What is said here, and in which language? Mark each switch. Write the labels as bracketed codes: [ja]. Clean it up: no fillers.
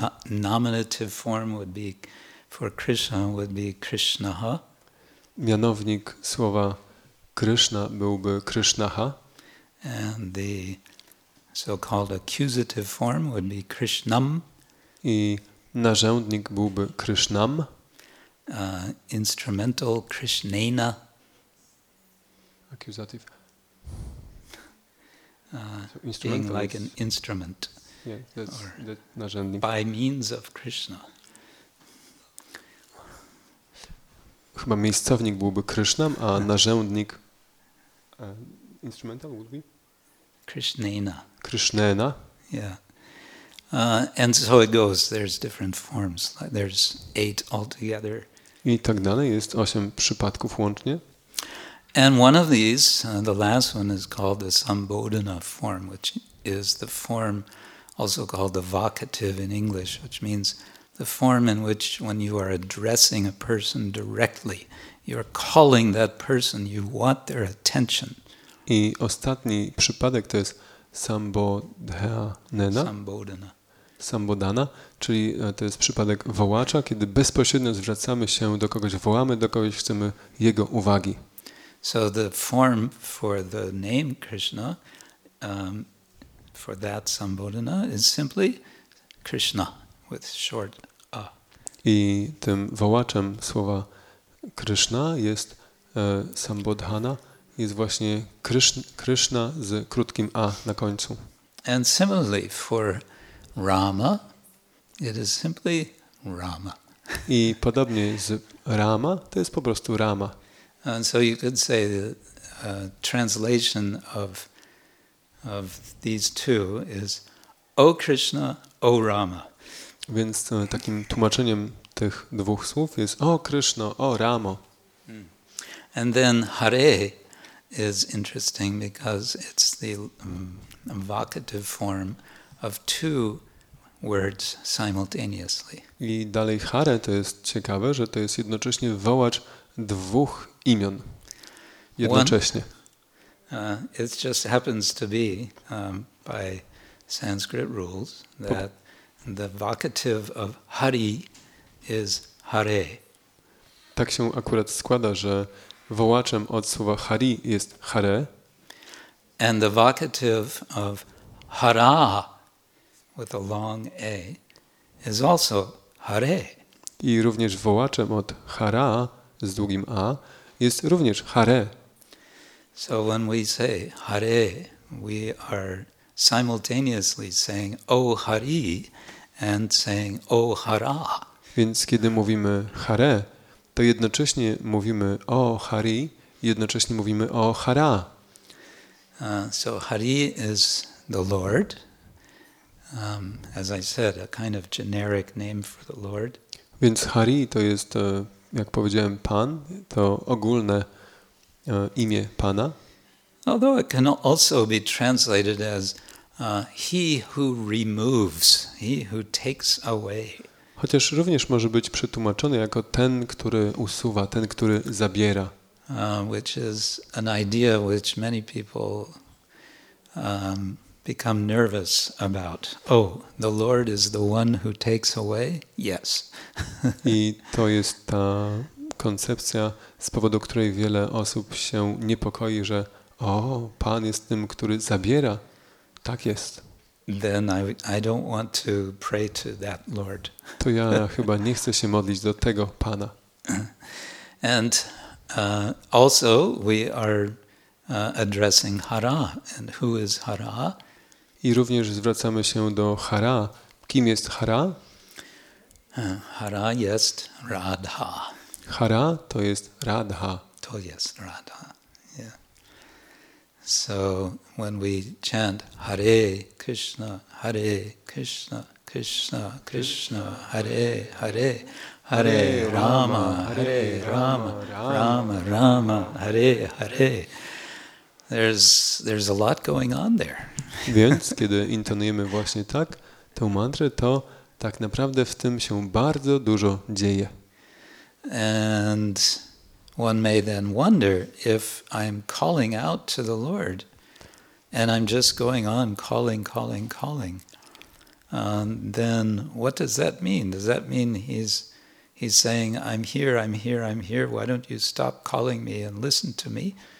[en] Nominative form would be for Krishna would be Krishnaha. [pl] Mianownik słowa Krishna byłby Krishnaha. [en] And the so-called accusative form would be Krishnam. [pl] I narzędnik byłby Krishnam. [en] Instrumental Krishnena. Accusative. Being like an instrument. [pl] Narzędnik. [en] By means of Krishna. [pl] Chyba miejscownik byłby Krishnam, a narzędnik [en] instrumental would be Krishnena. Krishnena. Yeah. And so it goes. There's different forms. There's eight altogether. [pl] I tak dalej. Jest 8 przypadków łącznie. [en] And one of these, the last one, is called the Sambodhana form, which is the form also called the vocative in English, which means the form in which when you are addressing a person directly, you're calling that person, you want their attention. [pl] I ostatni przypadek to jest Sambodhana. Sambodhana, czyli to jest przypadek wołacza, kiedy bezpośrednio zwracamy się do kogoś, wołamy do kogoś, chcemy jego uwagi. [en] So the form for the name Krishna, for that Sambodhana, is simply Krishna with short a. [pl] I tym wołaczem słowa Krishna jest Sambodhana, jest właśnie Krishna z krótkim a na końcu. [en] And similarly for Rama, it is simply Rama. [pl] I podobnie z Rama, to jest po prostu Rama. [en] And so you could say the translation of these two is O Krishna, O Rama. [pl] Więc takim tłumaczeniem tych dwóch słów jest O Krishna, O Ramo. [en] And then Hare is interesting because it's the vocative form of two words simultaneously. [pl] I dalej Hare to jest ciekawe, że to jest jednocześnie wołacz dwóch imion. Jednocześnie. [en] It just happens to be by Sanskrit rules that the vocative of Hari is Hare. [pl] Tak się akurat składa, że wołaczem od słowa Hari jest Hare. [en] And the vocative of Hara with a long A is also Hare. [pl] I również wołaczem od Hara z długim A jest również Hare. [en] So when we say Hare, we are simultaneously saying O Hari and saying O Hara. [pl] Więc kiedy mówimy Hare, to jednocześnie mówimy O Hari, jednocześnie mówimy O Hara. [en] So Hari is the Lord. As I said, a kind of generic name for the Lord. [pl] Więc Hari to jest, jak powiedziałem, Pan, to ogólne imię Pana. [en] Although it can also be translated as he who removes, he who takes away. [pl] Chociaż również może być przetłumaczony jako ten, który usuwa, ten, który zabiera. [en] Which is an idea which many people become nervous about, oh, the Lord is the one who takes away? Yes. [pl] I to jest ta koncepcja, z powodu której wiele osób się niepokoi, że o, Pan jest tym, który zabiera. Tak jest. [en] Then I don't want to pray to that Lord. [pl] To ja chyba nie chcę się modlić do tego Pana. [en] And also we are addressing Hara, and who is Hara? [pl] I również zwracamy się do Hara. Kim jest Hara? Hara jest Radha. Hara to jest Radha. To jest Radha. [en] Yeah. So when we chant Hare Krishna, Hare Krishna, Krishna Krishna, Hare Hare, Hare Rama, Hare Rama, Rama Rama, Hare Hare. There's a lot going on there. [pl] Więc kiedy intonujemy właśnie tak tę mantrę, to tak naprawdę w tym się bardzo dużo dzieje. [en] And one may then wonder if I'm calling out to the Lord and I'm just going on calling. Then what does that mean? Does that mean he's saying I'm here, why don't you stop calling me and listen to me?